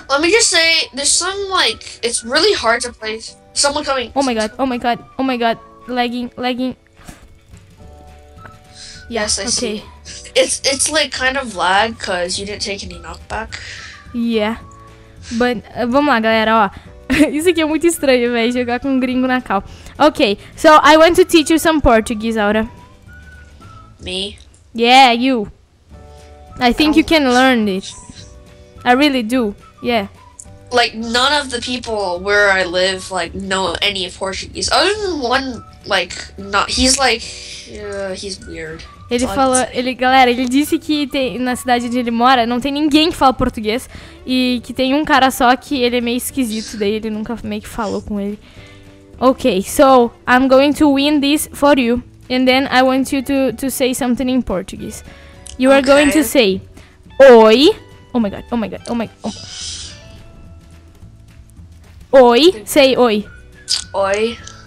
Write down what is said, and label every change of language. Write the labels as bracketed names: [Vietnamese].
[English] Let me just say, there's some like it's really hard to play. Someone coming. Oh my god. Lagging. Yes, I see. It's like kind of lag because you didn't take any knockback. Yeah, but [Portuguese] vamos lá, galera. Ó. Isso aqui é muito estranho, velho, jogar com um gringo na cal. [English] Ok, so I want to teach you some Portuguese, Aura. Me? Yeah, you. I think you can learn it. I really do, yeah. Like, none of the people where I live, like, know any Portuguese. Other than one, like, not... He's like... he's weird. [Portuguese] Ele falou... Ele, galera, ele disse que tem, na cidade onde ele mora não tem ninguém que fala português. E que tem um cara só que ele é meio esquisito. Daí ele nunca meio que falou com ele. [English] Ok, so I'm going to win this for you. And then I want you to say something in Portuguese. You are going to say... Oi... Oh my god. Oi, say oi. [Portuguese] Oi.